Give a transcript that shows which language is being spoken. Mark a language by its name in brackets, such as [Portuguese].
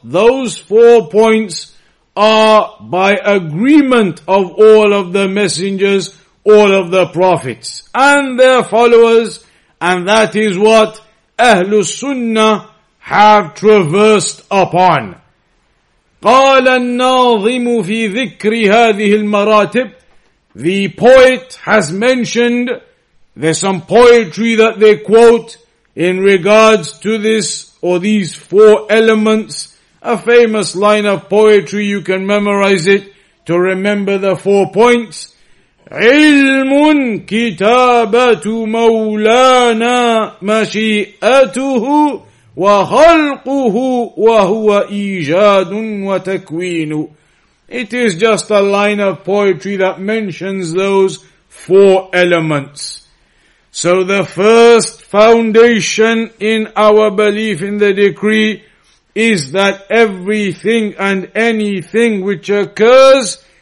[English] Those four points are by agreement of all of the messengers, all of the prophets, and their followers, and that is what Ahlus Sunnah have traversed upon. [Arabic] قال الناظم في ذكر هذه المراتب. [English] The poet has mentioned, there's some poetry that they quote in regards to this or these four elements. A famous line of poetry, you can memorize it to remember the four points. [Arabic] علم كتابة مولانا مشيئته وخلقه وهو إيجاد وتكوين. [English] It is just a line of poetry that mentions those four elements. So the first foundation in our belief in the decree is that everything and anything which occurs